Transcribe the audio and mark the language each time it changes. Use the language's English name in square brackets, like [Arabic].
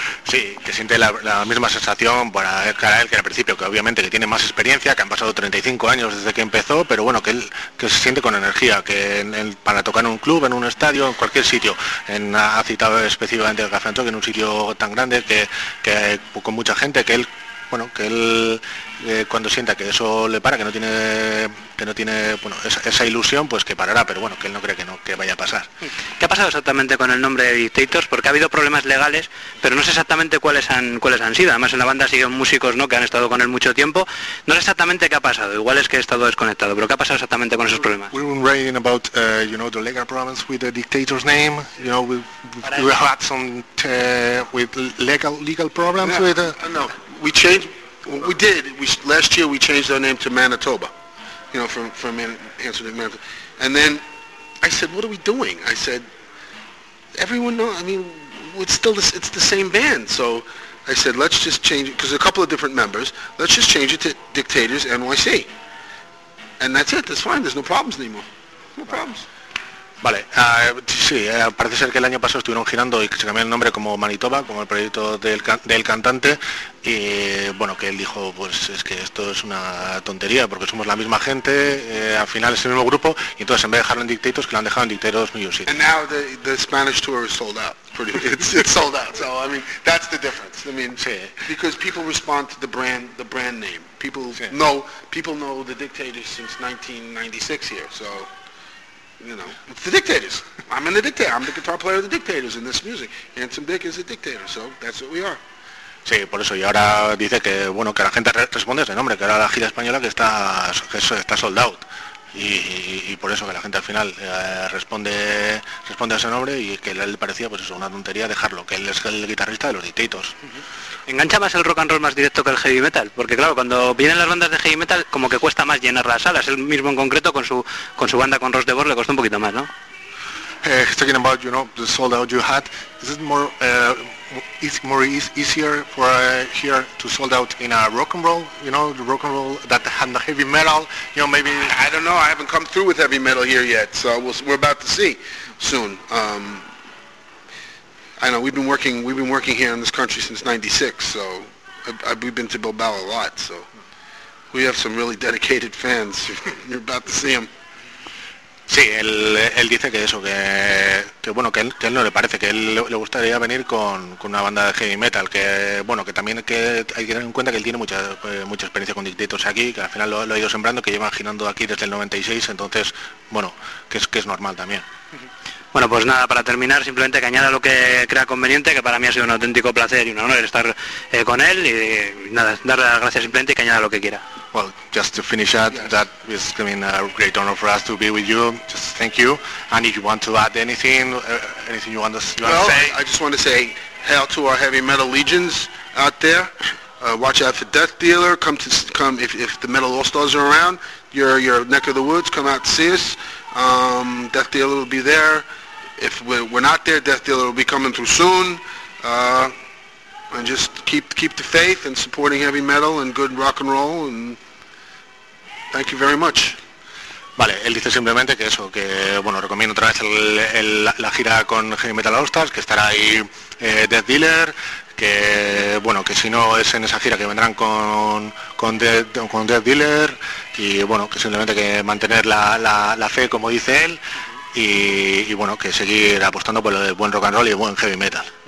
[Spanish] Sí, que siente la misma sensación para él que al principio, que obviamente que tiene más experiencia, que han pasado 35 años desde que empezó, pero bueno, que él que se siente con energía, que para tocar en un club, en un estadio, en cualquier sitio, ha citado específicamente el Café Antón, que en un sitio tan grande, que con mucha gente, que él, bueno, que él cuando sienta que eso le para, que no tiene bueno, esa ilusión, pues que parará, pero bueno, que él no cree que vaya a pasar. ¿Qué ha pasado exactamente con el nombre de Dictators? Porque ha habido problemas legales, pero no sé exactamente cuáles han sido. Además, en la banda siguen músicos, ¿no?, que han estado con él mucho tiempo. No sé exactamente qué ha pasado, igual es que he estado desconectado, pero ¿qué ha pasado exactamente con esos problemas? [English] We were writing about, you know, the legal problems with the Dictators name. You know, we had some with legal problems, no, with... No, we changed... Well, we did. Last year we changed our name to Manitoba, you know, from Manitoba. And then I said, what are we doing? I said, everyone knows, I mean, it's the same band. So I said, let's just change it, because a couple of different members, let's just change it to Dictators NYC. And that's it, that's fine, there's no problems anymore. No problems. [Spanish] Vale, parece ser que el año pasado estuvieron girando y que se cambió el nombre como Manitoba, como el proyecto del cantante, y bueno, que él dijo, pues es que esto es una tontería, porque somos la misma gente, al final es el mismo grupo, y entonces en vez de dejarlo en Dictators, que lo han dejado en Dictators New York City. [English] And now the Spanish tour is sold out, pretty much. It's sold out, so I mean, that's the difference. I mean, [Spanish] sí. [English] Because people respond to the brand name. People, [Spanish] sí. [English] people know the Dictators since 1996 here, so... You know, it's the Dictators. I'm in the Dictators. I'm the guitar player of the Dictators in this music. Handsome Dick is a Dictator, so that's what we are. [Spanish] Sí, por eso. Y ahora dice que, bueno, que la gente responde ese nombre, que ahora la gira española que está [English] sold out. [Spanish] Y por eso que la gente al final responde a ese nombre y que a él le parecía, pues eso, una tontería dejarlo, que él es el guitarrista de los Dictators. Uh-huh. ¿Engancha más el rock and roll más directo que el heavy metal? Porque claro, cuando vienen las bandas de heavy metal, como que cuesta más llenar las salas. Él mismo en concreto, con su banda, con Ross DeVos, le costó un poquito más, ¿no? [English] Talking about, you know, the sold out you had, is it more, easier for here to sold out in a rock and roll, you know, the rock and roll that had the heavy metal, you know, maybe... I don't know, I haven't come through with heavy metal here yet, so we're about to see soon. I know, we've been working here in this country since 96, so we've been to Bilbao a lot, so We have some really dedicated fans. You're about to see them. [Spanish] Sí, él dice que eso, que bueno, que él no le parece, que él le gustaría venir con una banda de heavy metal, que bueno, que también que hay que tener en cuenta que él tiene mucha experiencia con Dictators aquí, que al final lo ha ido sembrando, que lleva girando aquí desde el 96, entonces, bueno, que es normal también. Bueno, pues nada, para terminar, simplemente que añada lo que crea conveniente, que para mí ha sido un auténtico placer y un honor estar con él, y nada, darle las gracias simplemente y que añada lo que quiera. [English] Well, just to finish that, yes. That is a great honor for us to be with you. Just thank you. And if you want to add anything you want to say? I just want to say hail to our heavy metal legions out there. Watch out for Death Dealer. Come if the Metal All-Stars are around, your neck of the woods, come out to see us. Death Dealer will be there. If we're not there, Death Dealer will be coming through soon. And just keep the faith and supporting heavy metal and good rock and roll, and thank you very much. [Spanish] Vale, él dice simplemente que eso, que bueno, recomiendo otra vez la gira con Heavy Metal All Stars, que estará ahí Death Dealer, que bueno, que si no es en esa gira que vendrán con Death Dealer, y bueno, que simplemente que mantener la fe, como dice él, y bueno, que seguir apostando por el buen rock and roll y el buen heavy metal.